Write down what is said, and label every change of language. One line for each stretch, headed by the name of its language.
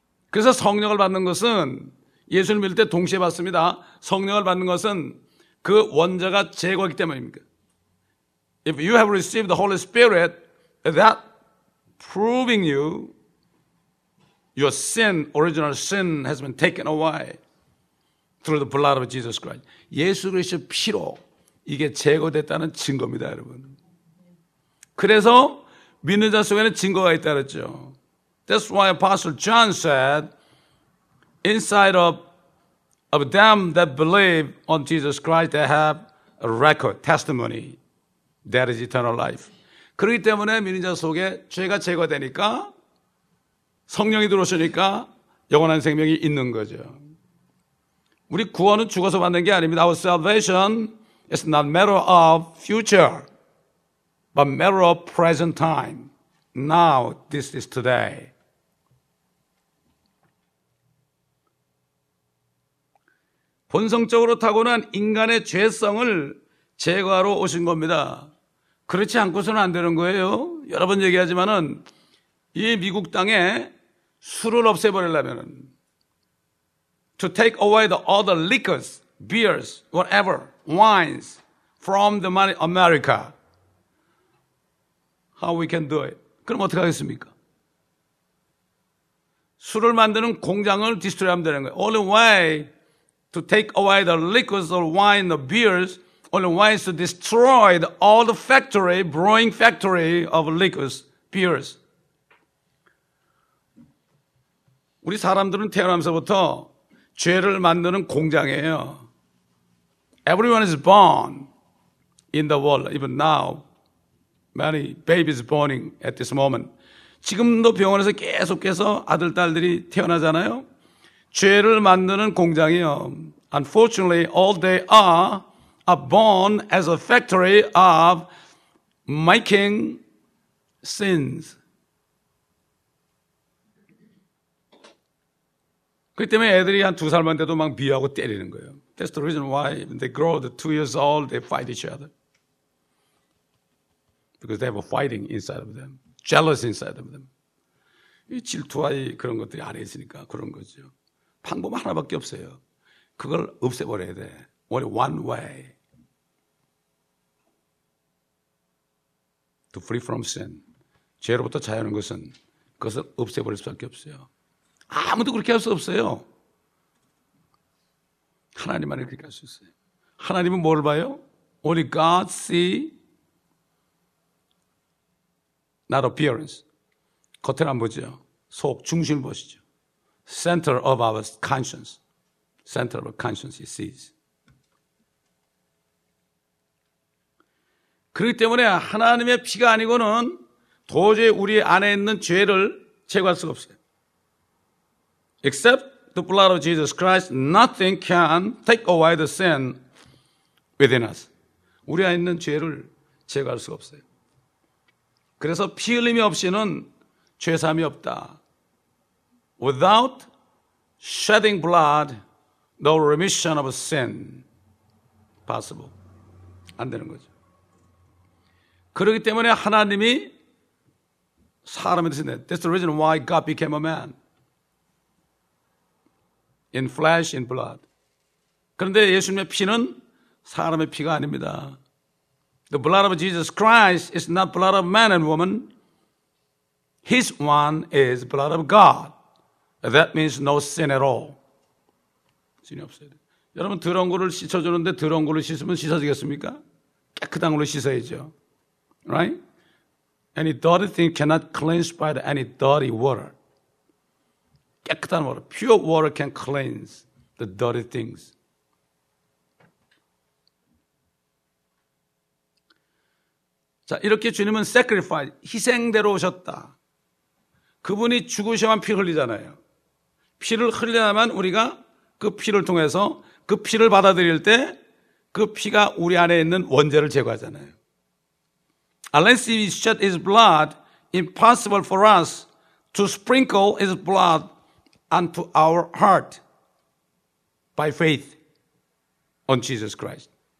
Korean: 그래서 성령을 받는 것은 예수를 믿을 때 동시에 받습니다. 성령을 받는 것은 그 원죄가 제거하기 때문입니다.
English: If you have received the Holy Spirit, that proving you your sin, original sin has been taken away through the blood of Jesus Christ.
Korean: 예수 그리스도 피로 이게 제거됐다는 증거입니다, 여러분. 그래서 믿는 자 속에는 증거가 있다 그랬죠.
English: That's why Apostle John said, inside of them that believe on Jesus Christ, they have a record, testimony. That is eternal life.
Korean: 그렇기 때문에 믿는 자 속에 죄가 제거되니까 성령이 들어오시니까 영원한 생명이 있는 거죠. 우리 구원은 죽어서 받는 게 아닙니다.
English: Our salvation is not matter of future, but matter of present time. Now, this is today.
Korean: 본성적으로 타고난 인간의 죄성을 제거하러 오신 겁니다. 그렇지 않고서는 안 되는 거예요. 여러 번 얘기하지만은 이 미국 땅에 술을 없애버리려면은
English: to take away the other liquors, beers, whatever, wines from the America. How we can do it?
Korean: 그럼 어떻게 하겠습니까? 술을 만드는 공장을 디스트로이 하면 되는 거예요.
English: Only way to take away the liquors or wine or beers, only way is to destroy the, all the factory, brewing factory of liquors, beers.
Korean: 우리 사람들은 태어나면서부터 죄를 만드는 공장이에요.
English: Everyone is born in the world, even now. Many babies born at this moment.
Korean: 지금도 병원에서 계속해서 아들, 딸들이 태어나잖아요. 죄를 만드는 공장이요.
English: Unfortunately, all they are born as a factory of making sins.
Korean: 그렇기 때문에 애들이 한 두 살만 돼도 막 비유하고 때리는 거예요.
English: That's the reason why when they grow the 2 years old, they fight each other. Because they have a fighting inside of them. Jealousy inside of them.
Korean: 이 질투와 그런 것들이 안에 있으니까 그런 거죠. 방법 하나밖에 없어요. 그걸 없애버려야 돼.
English: Only one way. To free from sin.
Korean: 죄로부터 자유하는 것은 그것을 없애버릴 수밖에 없어요. 아무도 그렇게 할 수 없어요. 하나님만이 그렇게 할 수 있어요. 하나님은 뭘 봐요?
English: Only God see not appearance.
Korean: 겉을 안 보죠. 속, 중심을 보시죠.
English: Center of our conscience. Center of our conscience he sees.
Korean: 그렇기 때문에 하나님의 피가 아니고는 도저히 우리 안에 있는 죄를 제거할 수가 없어요.
English: Except the blood of Jesus Christ, nothing can take away the sin within us.
Korean: 우리 안에 있는 죄를 제거할 수가 없어요. 그래서 피 흘림이 없이는 죄사함이 없다.
English: Without shedding blood, no remission of sin possible.
Korean: 안 되는 거죠. 그렇기 때문에 하나님이 사람이 되셨네.
English: That's the reason why God became a man. In flesh, in blood.
Korean: 그런데 예수님의 피는 사람의 피가 아닙니다.
English: The blood of Jesus Christ is not blood of man and woman. His one is blood of God. That means no sin at all.
Korean: 죄 없어요. 여러분 더러운 거를 씻어주는데 더러운 거를 씻으면 씻어지겠습니까? 깨끗한 걸로 씻어야죠. Right?
English: Any dirty thing cannot cleanse by any dirty water.
Korean: 깨끗한
English: water. Pure water can cleanse the dirty things.
Korean: 자, 이렇게 주님은 sacrifice, 희생대로 오셨다. 그분이 죽으셔야만 피 흘리잖아요. 피를 흘려야만 우리가 그 피를 통해서 그 피를 받아들일 때 그 피가 우리 안에 있는 원죄를 제거하잖아요.
English: Unless he shed his blood, impossible for us to sprinkle his blood onto our heart by faith on Jesus Christ.